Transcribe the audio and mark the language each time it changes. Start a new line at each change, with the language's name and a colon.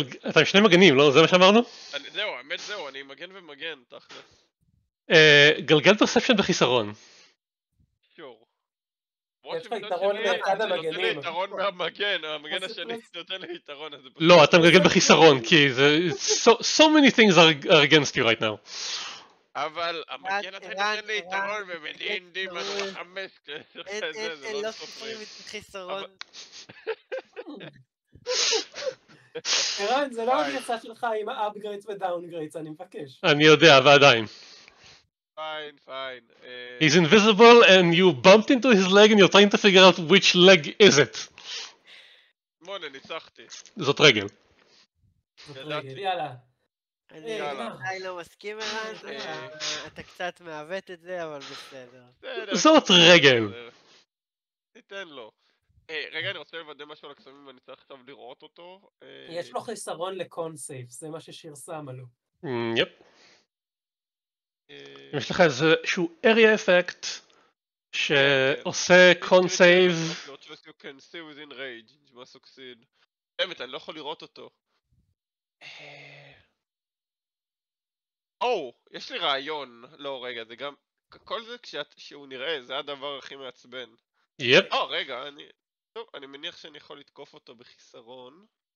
Hebrew: אתה עם שני מגנים, לא? זה מה שאמרנו? זהו, האמת זהו, אני מגן ומגן, תכל'ס. גלגל פרספשן בחיסרון. שור. יתרון מהמגן, המגן השני נותן לי יתרון. לא, אתה מגלגל בחיסרון, כי
English: so many things are against you right now.
Hebrew: אבל המגן אתה נותן לי יתרון ומדינדי מהחמש כזה, זה לא סופרים. אין לא סופרים את החיסרון. אירן, זה לא הגרסה שלך עם האפגרייטס ודאונגרייטס, אני מבקש. אני יודע, ועדיין.
English: Fine. He's invisible and you bumped into his leg and you're trying to figure out which leg is it.
Hebrew: מונה, ניצחתי. זאת רגל. יאללה. אני אולי לא מסכים אירן, אתה קצת מעוות את זה, אבל בסדר. זאת רגל. ניתן לו. רגע, אני רוצה לוודא משהו על הקסמים, אני צריך עכשיו לראות אותו. יש לו חיסרון לקונסייף, זה מה ששיר שם עלו. יפ. אם יש לך איזשהו area effect שעושה con save.
English: Not just you can see within rage, you must succeed.
Hebrew: באמת, אני לא יכול לראות אותו. יש לי רעיון. לא, רגע, זה גם... כל זה כשהוא נראה, זה הדבר הכי מעצבן. יפ. רגע, אני... טוב, אני מניח שאני יכול לתקוף אותו בחיסרון.